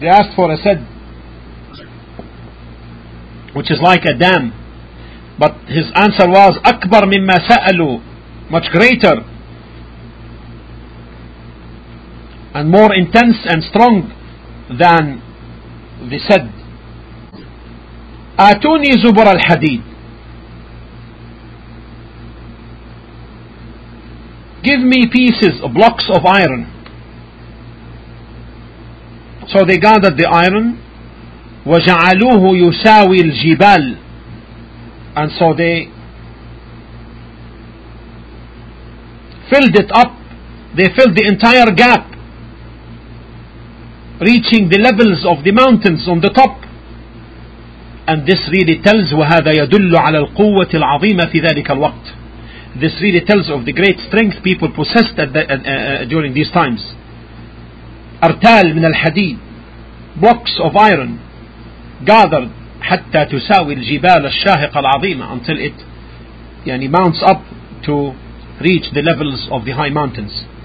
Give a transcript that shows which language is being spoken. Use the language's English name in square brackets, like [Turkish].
[English] They asked for a sed, which is like a dam, but his answer was [Arabic] أكبر مما سألوا, [English] much greater and more intense and strong than the sed. [Arabic] آتوني زبر الحديد, [English] give me pieces, blocks of iron. So they gathered the iron, [Arabic] وجعلوه يساوي الجبال, [English] and so they filled it up, they filled the entire gap, reaching the levels of the mountains on the top. And this really tells, [Arabic] وهذا يدل على القوة العظيمة في ذلك الوقت. [English] This really tells of the great strength people possessed at the, during these times. [Arabic] أرتال من الحديد, [English] blocks of iron gathered, [Arabic] حتى تساوي الجبال الشاهقة العظيمة, [English] until it [Arabic] يعني [English] mounts up to reach the levels of the high mountains.